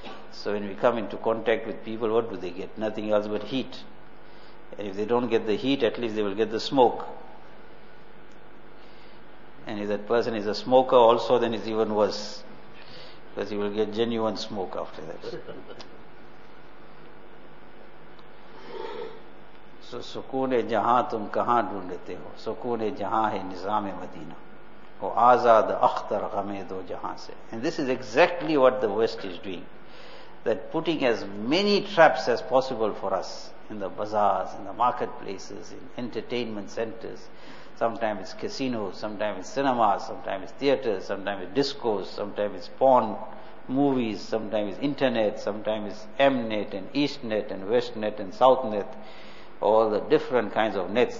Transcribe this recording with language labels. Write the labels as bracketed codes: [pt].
[en] So when we come into contact with people, what do they get? Nothing else but heat. And if they don't get the heat, at least they will get the smoke. And if that person is a smoker also, then it's even worse. Because he will get genuine smoke after that. [ur] So سکون جہاں تم کہاں ڈھونڈتے ہو, سکون جہاں ہے نظام مدینہ, وہ آزاد اختر غمے دو جہاں سے. [en] And this is exactly what the West is doing. that putting as many traps as possible for us in the bazaars, in the marketplaces, in entertainment centers. Sometimes it's casinos, sometimes it's cinemas, sometimes it's theaters, sometimes it's discos, sometimes it's porn movies, sometimes it's internet, sometimes it's Mnet and Eastnet and Westnet and Southnet, all the different kinds of nets.